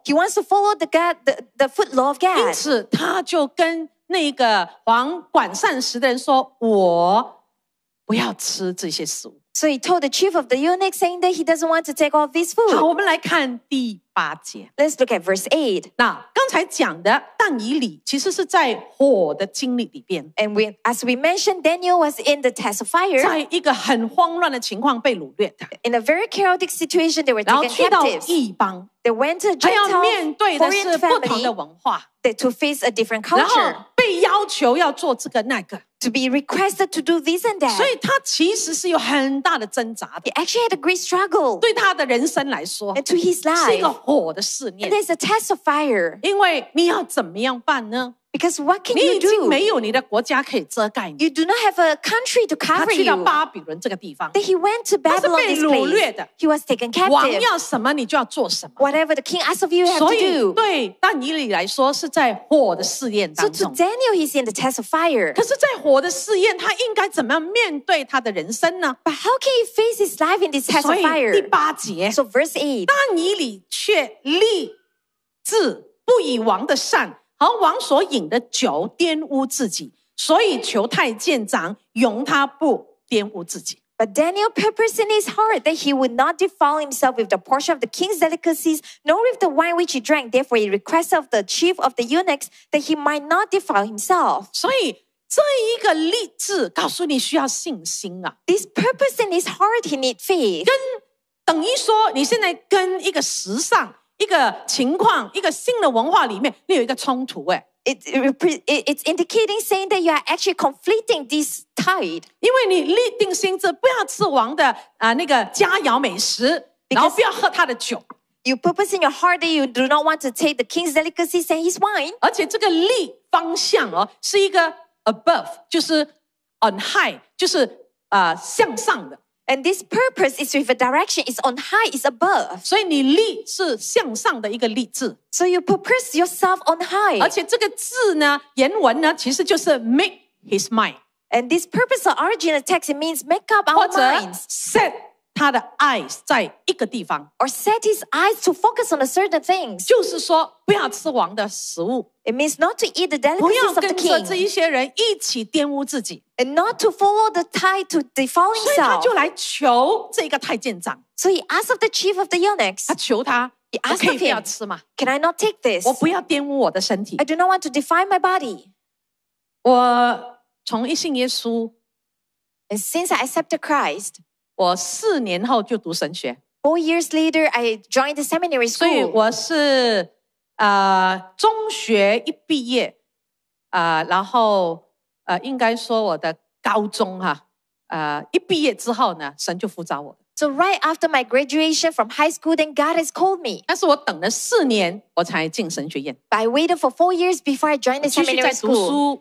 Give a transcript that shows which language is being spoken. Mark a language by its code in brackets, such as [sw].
[en] He wants to follow the food law of God. [zh] 因此他就跟那个王管膳食的人说，我不要吃这些食物。 [en] So he told the chief of the eunuch, saying that he doesn't want to take all this food. [zh] 好，我们来看第八节。 [en] Let's look at verse 8. [zh] 那刚才讲的但以理其实是在火的经历里边。 [en] And as we mentioned, Daniel was in the test of fire. [zh] 在一个很慌乱的情况被掳掠的。 [en] In a very chaotic situation, they were taken captives. [zh] 然后去到异邦。 [en] They went to Gentile foreign family. [zh] 他要面对的是不同的文化。 [en] They to face a different culture. [zh] 然后被要求要做这个那个。 [en] To be requested to do this and that. [zh] 所以他其实是有很大的挣扎的。 [en] He actually had a great struggle. [zh] 对他的人生来说。 [en] And to his life. [zh] 是一个火的试炼。 [en] And it's a test of fire. [zh] 因为你要怎么样办呢？ [en] Because what can you do? [zh] 你已经没有你的国家可以遮盖你。 [en] You do not have a country to cover you. [zh] 他去到巴比伦这个地方。 [en] Then he went to Babylon this place. [zh] 他是被掳掠的。 [en] He was taken captive. [zh] 王要什么你就要做什么。 [en] Whatever the king asks of you, you have to do. [zh] 所以对但以理来说是在火的试验当中。 [en] So to Daniel, he's in the test of fire. [zh] 可是在火的试验他应该怎么样面对他的人生呢？ [en] But how can he face his life in this test of fire? [zh] 所以第八节。 [en] So verse 8. [zh] 但以理却立志不以王的善而王所饮的酒玷污自己，所以求太监长容他不玷污自己。 [en] But Daniel purposed in his heart that he would not defile himself with the portion of the king's delicacies, nor with the wine which he drank. Therefore, he requested of the chief of the eunuchs that he might not defile himself. [zh] 所以, 这一个励志告诉你需要信心啊。 [en] This purpose in his heart, he need faith. [zh] 等于说你现在跟一个时尚、一个情况、一个新的文化里面，你有一个冲突哎。 [en] It's indicating saying that you are actually conflicting this tide. [zh] 因为你立定心志不要吃王的那个佳肴美食，然后不要喝他的酒。 [en] You purpose in your heart that you do not want to take the king's delicacies and his wine. [zh] 而且这个立方向哦，是一个 [en] above， [zh] 就是 [en] on high， [zh] 就是 向上的。 [en] And this purpose is with a direction, it's on high, it's above. [zh] 所以你立是向上的一个立志。 [en] So you purpose yourself on high. [zh] 而且这个字呢，原文呢，其实就是 [en] make his mind. And this purpose of original text, it means make up our minds. Set [zh] 他的eyes在一个地方。 [en] Or set his eyes to focus on a certain things. [zh] 就是说不要吃王的食物。 [en] It means not to eat the delicacies of the king. [zh] 不要跟着这一些人一起玷污自己。 [en] And not to follow the tide to defile himself. [zh] 所以他就来求这个太监长。 [en] So he asked of the chief of the eunuchs. [zh] 他求他。 [en] He asked of him, can I not take this? [zh] 我不要玷污我的身体。 [en] I do not want to defile my body. [zh] 我从一信耶稣。 [en] And since I accepted Christ. [zh] 我4年后就读神学。 [en] 4 years later, I joined the seminary school. [zh] 所以我是 中学一毕业，然后应该说我的高中哈，一毕业之后呢，神就呼召我。 [en] So right after my graduation from high school, then God has called me. [zh] 但是我等了4年，我才进神学院。 [en] But I waited for 4 years before I joined the seminary school.